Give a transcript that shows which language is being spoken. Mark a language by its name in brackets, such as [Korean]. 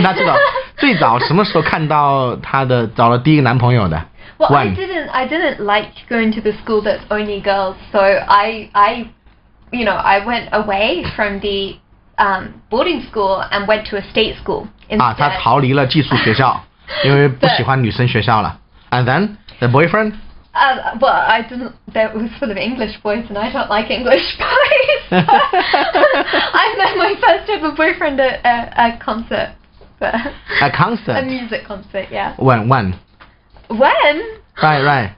[English] like going to the school that's only girls. So I went away from the boarding school and went to a state school instead. [Chinese] 啊，他逃离了寄宿学校，因为不喜欢女生学校了。 [English] And then the boyfriend? That was full of English boys, and I don't like English boys. I met my first ever boyfriend at a concert. A concert? A music concert, yeah. When? When? Right.